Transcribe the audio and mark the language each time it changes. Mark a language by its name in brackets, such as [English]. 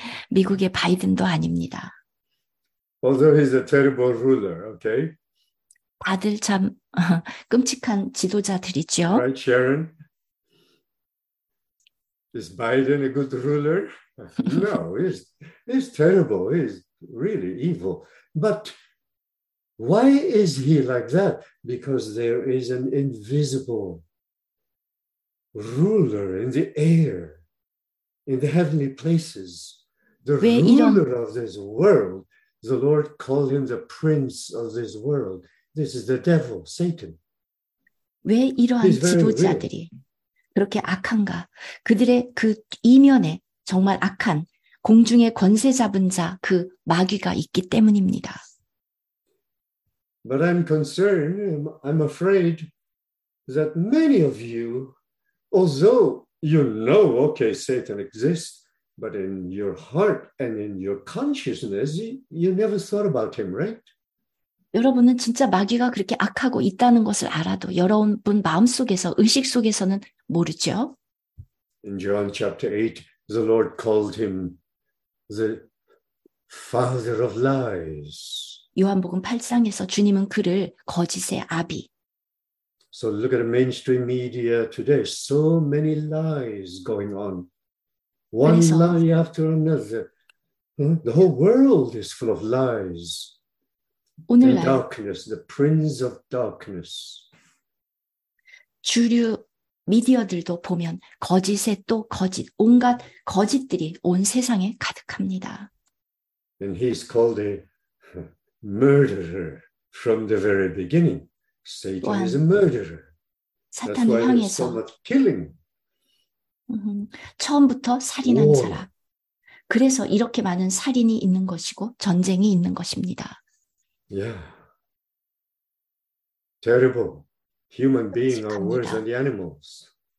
[Korean] 미국의 바이든도 아닙니다. [English] Although he's a terrible ruler, okay? [Korean] 다들 참 끔찍한 지도자들이죠. [English] Right, Sharon? Is Biden a good ruler? No, he's terrible. He's really evil. But why is he like that? Because there is an invisible ruler in the air, in the heavenly places. The ruler of this world, the Lord called him the prince of this world. This is the devil, Satan. [Korean] 왜 이러한 지도자들이 그렇게 악한가? 그들의 그 이면에 정말 악한 공중의 권세 잡은 자, 그 마귀가 있기 때문입니다. [English] But I'm concerned, I'm afraid that many of you, although you know, okay, Satan exists, but in your heart and in your consciousness, you never thought about him, right? [Korean] 여러분은 진짜 마귀가 그렇게 악하고 있다는 것을 알아도 여러분 마음속에서, 의식 속에서는 모르죠. [English] In John chapter 8, the Lord called him the father of lies. [Korean] 요한복음 8장에서 주님은 그를 거짓의 아비. [English] So look at the mainstream media today. So many lies going on. One [Korean] 그래서, [English] lie after another. The whole world is full of lies. [Korean] 오늘날 [English] the darkness, the prince of darkness. [Korean] 주류 미디어들도 보면 거짓에 또 거짓, 온갖 거짓들이 온 세상에 가득합니다. [English] And he's called a murderer from the very beginning. Satan is a murderer. [Korean] 사탄을 향해서 [English] so much killing. [Korean] 처음부터 살인한 자라. 그래서 이렇게 많은 살인이 있는 것이고 전쟁이 있는 것입니다. [English] Yeah. Terrible. Human beings are worse than the animals.